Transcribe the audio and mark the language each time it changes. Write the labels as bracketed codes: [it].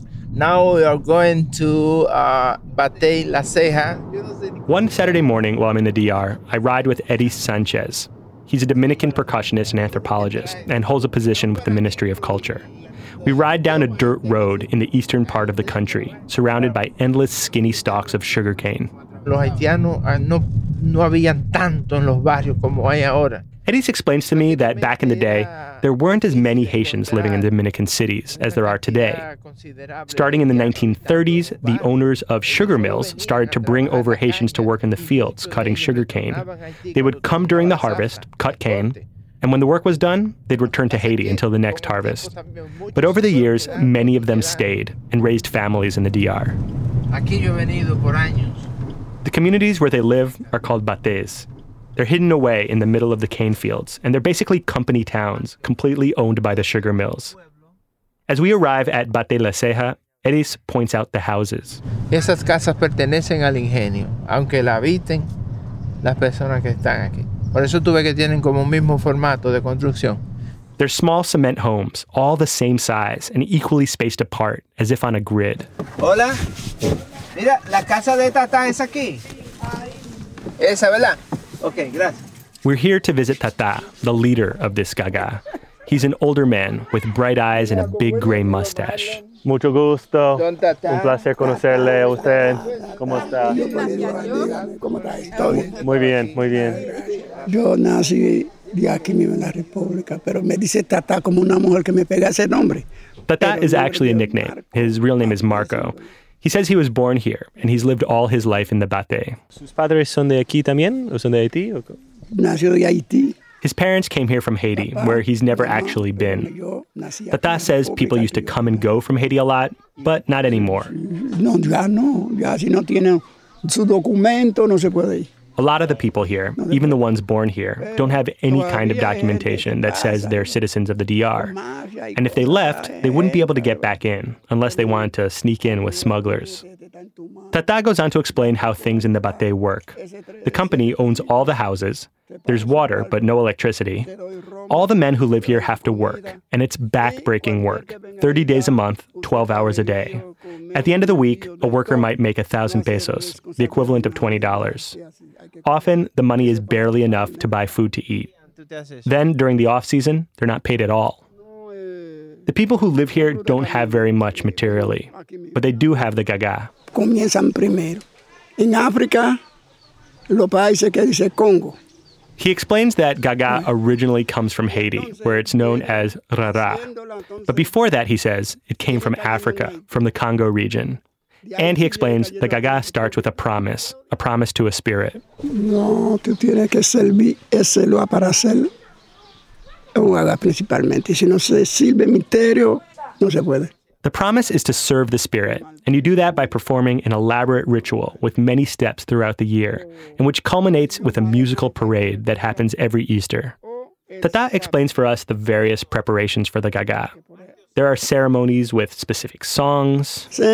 [en] Now we are going to Batey La Ceja. One Saturday morning while I'm in the DR, I ride with Eddie Sanchez. He's a Dominican percussionist and anthropologist and holds a position with the Ministry of Culture. We ride down a dirt road in the eastern part of the country, surrounded by endless skinny stalks of sugarcane. [es] Los haitianos no habían tanto en los barrios como hay ahora. [en] Eddie explains to me that back in the day, there weren't as many Haitians living in Dominican cities as there are today. Starting in the 1930s, the owners of sugar mills started to bring over Haitians to work in the fields, cutting sugarcane. They would come during the harvest, cut cane, and when the work was done, they'd return to Haiti until the next harvest. But over the years, many of them stayed and raised families in the DR. The communities where they live are called batés. They're hidden away in the middle of the cane fields, and they're basically company towns, completely owned by the sugar mills. As we arrive at Bate La Ceja, Eris points out the houses. [es] Esas casas pertenecen al ingenio, aunque la habiten las personas que están aquí. Por eso tuve que tienen como un mismo formato de construcción. [en] They're small cement homes, all the same size and equally spaced apart, as if on a grid. [es] Hola. Mira, la casa de Tata es aquí. Esa, ¿verdad? Okay, gracias. [en] We're here to visit Tata, the leader of this gaga. He's an older man with bright eyes and a big gray mustache. [es] Mucho gusto. Un placer conocerle a usted. ¿Cómo está? ¿Cómo está? Estoy bien. Muy bien, muy bien. Yo nací de aquí mismo en la República, pero me dice Tata como una mujer que me pega ese nombre. [en] Tata is actually a nickname. His real name is Marco. He says he was born here, and he's lived all his life in the Batey. [es] ¿Sus padres son de aquí también, o son de Haití? Nació de Haití. [en] His parents came here from Haití, where he's never actually been. Tata says people used to come and go from Haiti a lot, but not anymore. [es] No, ya no. Ya si no tiene su documento, no se puede ir. [en] A lot of the people here, even the ones born here, don't have any kind of documentation that says they're citizens of the DR. And if they left, they wouldn't be able to get back in, unless they wanted to sneak in with smugglers. Tata goes on to explain how things in the Baté work. The company owns all the houses. There's water, but no electricity. All the men who live here have to work, and it's back-breaking work, 30 days a month, 12 hours a day. At the end of the week, a worker might make 1,000 pesos, the equivalent of $20. Often, the money is barely enough to buy food to eat. Then, during the off-season, they're not paid at all. The people who live here don't have very much materially, but they do have the gaga. In Africa, the [es] países que dice [en] Congo. He explains that gaga originally comes from Haiti, where it's known as rara. But before that, he says, it came from Africa, from the Congo region. And he explains the gaga starts with a promise to a spirit. [es] No, tú tienes que servir ese lugar para hacer un gaga principalmente. Si no se sirve el misterio, no se puede. [en] The promise is to serve the spirit, and you do that by performing an elaborate ritual with many steps throughout the year, and which culminates with a musical parade that happens every Easter. Tata explains for us the various preparations for the gaga. There are ceremonies with specific songs.